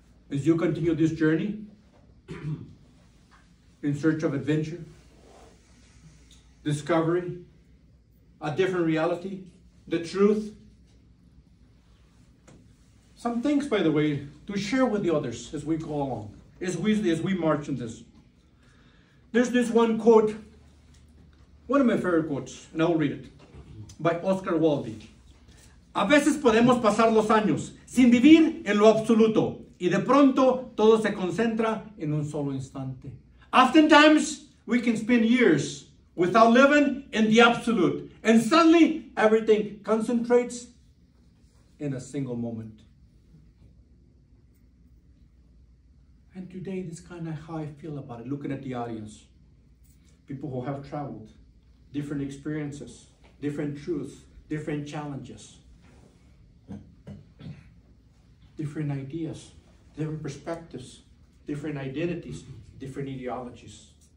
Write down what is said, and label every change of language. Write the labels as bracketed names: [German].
[English] As you continue this journey in search of adventure, discovery, a different reality, the truth. Some things, by the way, to share with the others as we go along, as we march in this. There's this one quote, one of my favorite quotes, and I'll read it, by Oscar Wilde. [Spanish] A veces podemos pasar los años sin vivir en lo absoluto, y de pronto todo se concentra en un solo instante. [English] Oftentimes, we can spend years without living in the absolute, and suddenly everything concentrates in a single moment. And today, this is kind of how I feel about it, looking at the audience, people who have traveled, different experiences, different truths, different challenges, different ideas, different perspectives, different identities, different ideologies.